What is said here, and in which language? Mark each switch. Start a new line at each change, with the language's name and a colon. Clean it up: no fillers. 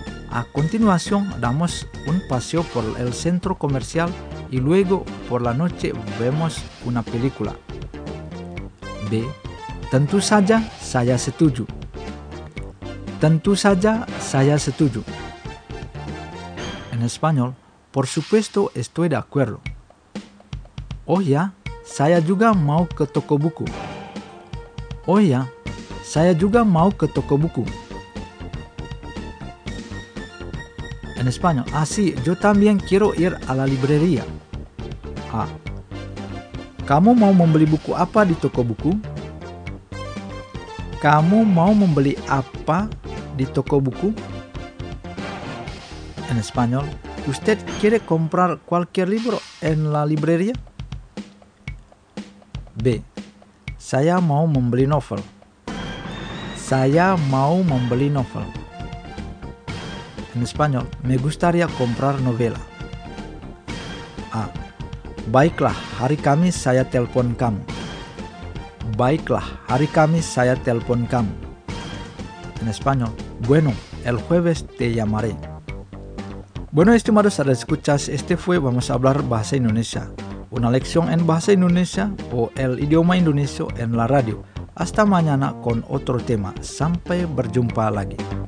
Spanish: A continuación, damos un paseo por el centro comercial y luego, por la noche, vemos una película. B.
Indonesian: Tentu saja, saya setuju. Tentu saja, saya setuju.
Spanish: En español, por supuesto, estoy de acuerdo.
Indonesian: Oh ya, saya juga mau ke toko buku. Oh ya, saya juga mau ke toko buku.
Spanish: En español, así, yo también quiero ir a la librería. A.
Indonesian: Kamu mau membeli buku apa di toko buku? Kamu mau membeli apa di toko buku?
Spanish: En español, ¿usted quiere comprar cualquier libro en la librería?
Indonesian: B. Saya mau membeli novel. Saya mau membeli novel.
Spanish: En español, me gustaría comprar novela. A.
Indonesian: Baiklah, hari Kamis saya telpon kamu. Baiklah, hari Kamis saya telpon kamu.
Spanish: En español, bueno, el jueves te llamaré. Bueno, estimados escuchas, este fue Vamos a hablar Bahasa Indonesia. Una lección en Bahasa Indonesia o el idioma indonesio en la radio. Hasta mañana con otro tema.
Indonesian: Sampai berjumpa lagi.